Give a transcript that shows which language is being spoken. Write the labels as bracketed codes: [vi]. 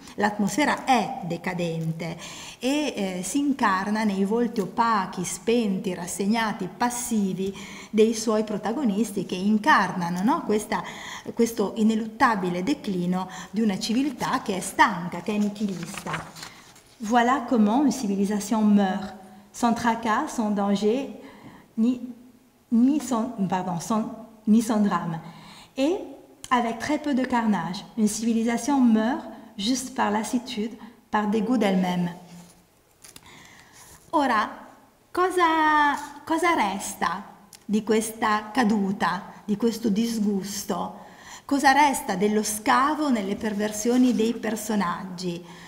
[it] L'atmosfera è decadente e si incarna nei volti opachi, spenti, rassegnati, passivi dei suoi protagonisti che incarnano, no, questo ineluttabile declino di una civiltà che è stanca, che è nichilista. [fr] Voilà comment une civilisation meurt, sans tracas, sans danger, ni sans drame, et avec très peu de carnage. Une civilisation meurt juste par lassitude, par dégoût d'elle-même. [it] Ora, cosa resta di questa caduta, di questo disgusto? Cosa resta dello scavo nelle perversioni dei personaggi?